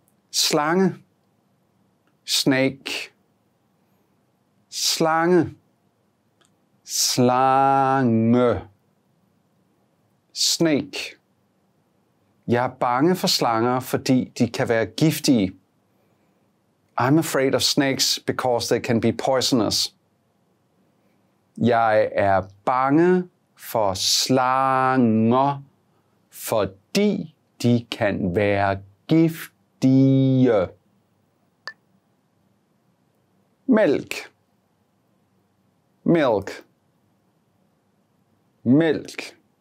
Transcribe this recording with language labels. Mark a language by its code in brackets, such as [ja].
[da] Slange. [en] Snake. [da] Slange. Slange. [en] Snake. [da] Jeg er bange for slanger, fordi de kan være giftige. [en] I'm afraid of snakes because they can be poisonous. [da] Jeg er bange for slanger, fordi de kan være giftige. Mælk. [en] Milk. [da] Mælk.